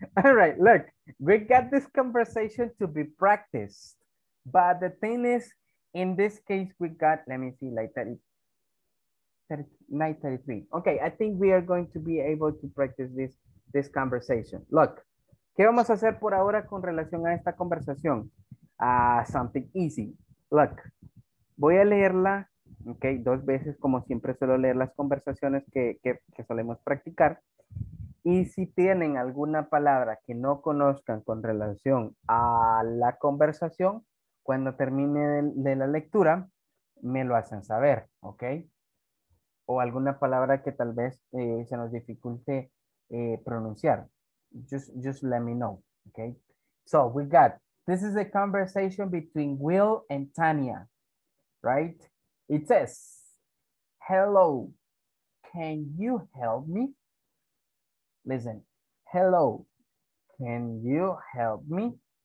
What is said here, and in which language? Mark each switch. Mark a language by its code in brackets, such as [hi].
[en] All right, look, we got this conversation to be practiced. But the thing is, in this case, we got, let me see, like 9:33. Okay, I think we are going to be able to practice this conversation. [es] Look, ¿qué vamos a hacer por ahora con relación a esta conversación? [en] Something easy. [es] Look, voy a leerla, okay, dos veces, como siempre suelo leer las conversaciones que solemos practicar. Y si tienen alguna palabra que no conozcan con relación a la conversación, cuando termine de la lectura, me lo hacen saber, okay? O alguna palabra que tal vez se nos dificulte pronunciar. [en] Just let me know, okay? So we got, this is a conversation between Will and Tanya, right? It says, hello, can you help me? Listen, hello, can you help me?